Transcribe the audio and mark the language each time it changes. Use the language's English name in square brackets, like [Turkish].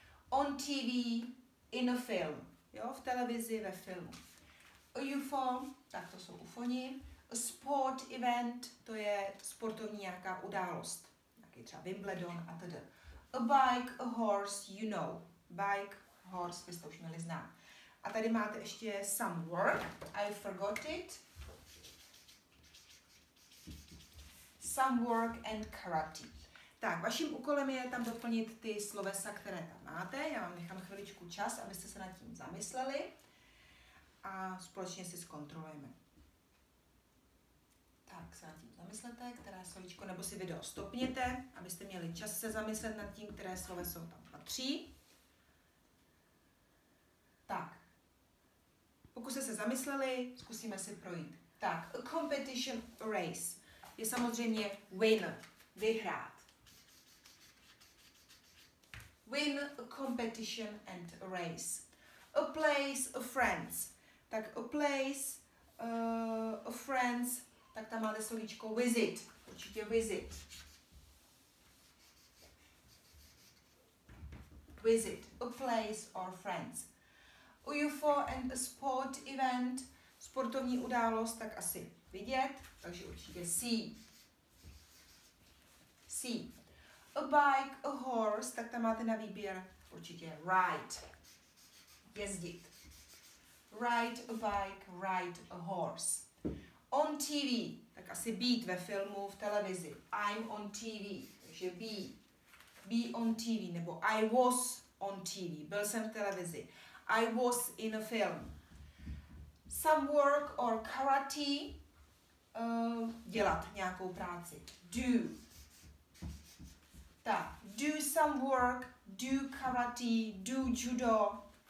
[English] On TV, in a film, jo, v televizi, ve filmu. [Czech] A UFO, tak to jsou ufoni. A sport event, to je sportovní nějaká událost, taky třeba Wimbledon a td. [English] A bike, a horse, you know. Bike, horse, byste už měli znát. A tady máte ještě some work, I forgot it. Some work and karate. [Czech] Tak, vaším úkolem je tam doplnit ty slovesa, které tam máte. Já vám nechám chviličku čas, abyste se nad tím zamysleli a společně si zkontrolujeme. Tak, se nad tím zamyslete, které slovíčko, nebo si video stopněte, abyste měli čas se zamyslet nad tím, které sloveso tam patří. Tak, pokud jste se zamysleli, zkusíme si projít. Tak, a competition race je samozřejmě win, vyhrát. [English] Win a competition and a race. A place, a friends. [Czech] Tak a place, a friends, tak tam máte slovíčko visit. Určitě visit. [English] Visit, a place or friends. A UFO and a sport event. [Czech] Sportovní událost, tak asi vidět. Takže určitě see. See. A bike, a horse, tak tam máte na výběr určitě ride, jezdit. ride a bike, ride a horse. On TV, tak asi být ve filmu, v televizi. [English] I'm on TV, takže be on TV, nebo I was on TV, byl jsem v televizi. I was in a film. [Czech] Some work or karate, dělat nějakou práci. Do. [English] Tak, do some work, do karate, do judo.